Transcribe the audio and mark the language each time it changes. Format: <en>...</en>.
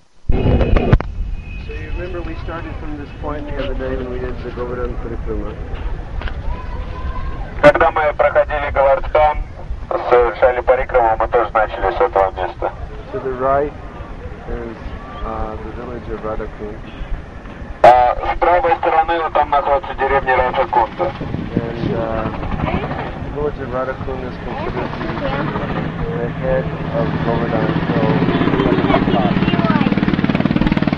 <en>remember we started from this point the other day when we did the Govardhan Parikrama.</en> <ru>Когда мы проходили Говардхан, совершали парикраму, мы тоже начали с этого места.</ru> <en>To the right is the village of Radhakund.</en> <ru>С правой стороны вот там находится деревня Радхакунда.</ru> <en>And the village of Radhakund is considered the head of Govardhan.</en>